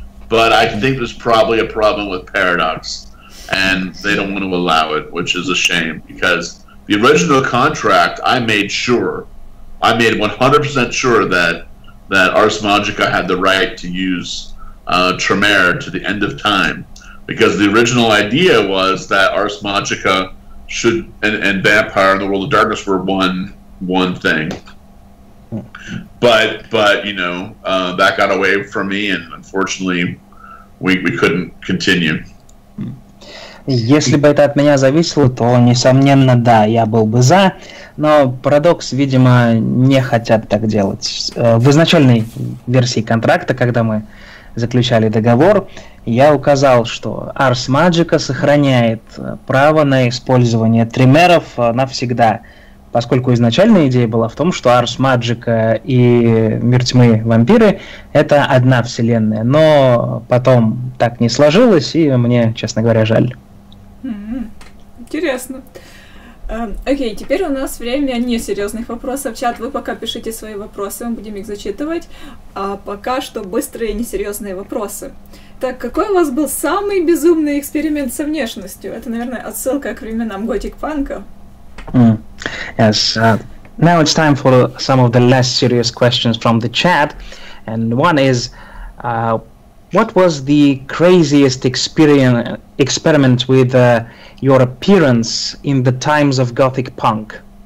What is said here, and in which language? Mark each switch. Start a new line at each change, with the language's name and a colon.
English: But I think there's probably a problem with Paradox, and they don't want to allow it, which is a shame, because the original contract, I made 100% sure that Ars Magica had the right to use Tremere to the end of time, because the original idea was that Ars Magica should and Vampire and the World of Darkness were one thing. But you know, that got away from me, and unfortunately, we couldn't continue.
Russian: Если бы это от меня зависело, то, несомненно, да, я был бы за, но парадокс, видимо, не хотят так делать. В изначальной версии контракта, когда мы заключали договор, я указал, что Ars Magica сохраняет право на использование тримеров навсегда, поскольку изначальная идея была в том, что Ars Magica и Мир тьмы вампиры — это одна вселенная. Но потом так не сложилось, и мне, честно говоря, жаль. Интересно. Окей, теперь у нас время несерьезных вопросов. Чат, вы пока пишите свои вопросы, мы будем их зачитывать. А пока что быстрые несерьезные вопросы. Так, какой у вас был самый безумный эксперимент со внешностью? Это, наверное, отсылка к временам готик-панка.
English: Yes. Now it's time for some of the less serious questions from the chat. And one is, what was the craziest experiment with your appearance in the times of gothic punk?